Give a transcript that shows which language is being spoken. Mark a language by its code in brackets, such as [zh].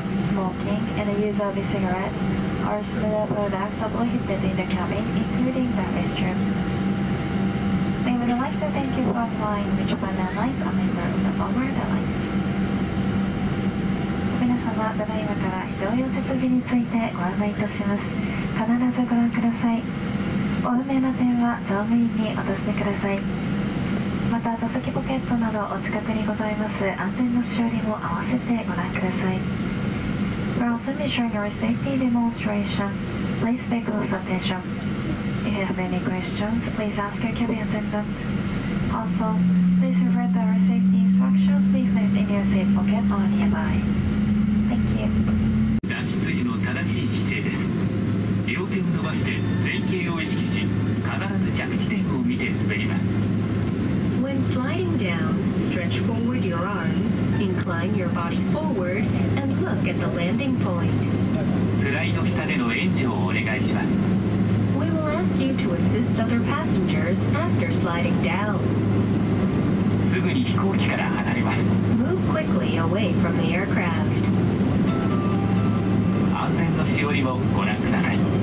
[en] Smoking and the use of e-cigarettes. Our similar products are prohibited in the cabin, including the restrooms. We would like to thank you for flying with Japan Airlines, a member of the Bombard Airlines. [ja] 皆様、ただいまから非常用設備についてご案内いたします。必ずご覧ください。お不明な点は乗務員にお尋ねください。また、座席ポケットなどお近くにございます安全のしおりも合わせてご覧ください。 [en] We're also ensuring your safety demonstration. Please pay close attention. If you have any questions, please ask your cabin attendant. Also, please read our safety instructions leaflet in your seat pocket or nearby. Thank you. [ja] 脱出時の正しい姿勢です。両手を伸ばして前傾を意識し、必ず着地点を見て滑ります。 [en] When sliding down, stretch forward your arms, incline your body forward, and look at the landing point. [ja] スライド下での延長をお願いします。 [en] We will ask you to assist other passengers after sliding down. [ja] すぐに飛行機から離れます。 [en] Move quickly away from the aircraft. [ja] 安全のしおりをご覧ください。